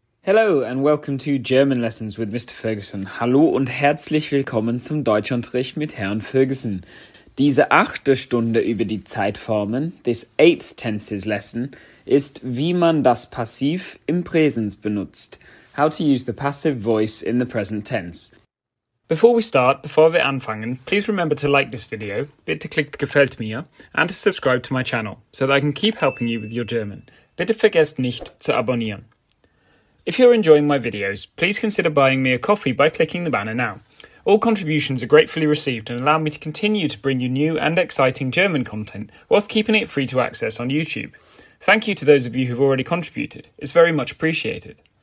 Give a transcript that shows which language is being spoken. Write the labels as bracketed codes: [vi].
[en] Hello and welcome to German Lessons with Mr. Ferguson. [de] Hallo und herzlich willkommen zum Deutschunterricht mit Herrn Ferguson. Diese achte Stunde über die Zeitformen, [en] this eighth tenses lesson, [de] ist wie man das Passiv im Präsens benutzt. [en] How to use the passive voice in the present tense. [de] Bevor wir anfangen, [en] please remember to like this video, [de] bitte klickt gefällt mir, [en] and to subscribe to my channel, so that I can keep helping you with your German. [de] Bitte vergesst nicht zu abonnieren. [en] If you're enjoying my videos, please consider buying me a coffee by clicking the banner now. All contributions are gratefully received and allow me to continue to bring you new and exciting German content whilst keeping it free to access on YouTube. Thank you to those of you who've already contributed. It's very much appreciated.